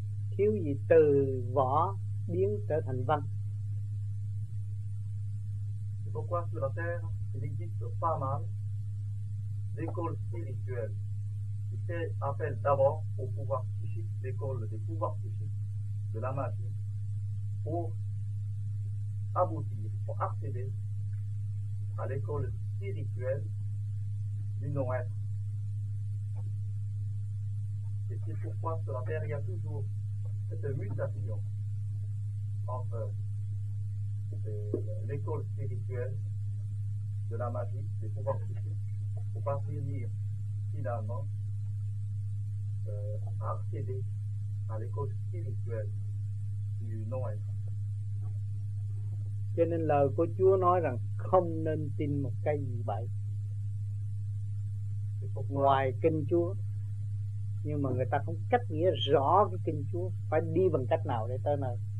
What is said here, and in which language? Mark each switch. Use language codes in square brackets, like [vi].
[vi] Thiếu gì từ vỏ biến trở thành văn. [fr] C'est pourquoi sur la terre il existe pas mal d'écoles spirituelles qui fait appel d'abord au pouvoir psychique, l'école des pouvoirs psychiques de la magie pour aboutir, pour accéder à l'école spirituelle du non-être. Et c'est pourquoi sur la terre il y a toujours cette mutation entre l'école spirituelle de la magie, des pouvoirs psychiques, pour parvenir finalement à accéder à l'école spirituelle du non-être. [vi] Cho nên lời của Chúa nói rằng không nên tin một cái gì bậy ngoài kinh Chúa. Nhưng mà người ta không cách nghĩa rõ cái kinh Chúa phải đi bằng cách nào để tới nơi.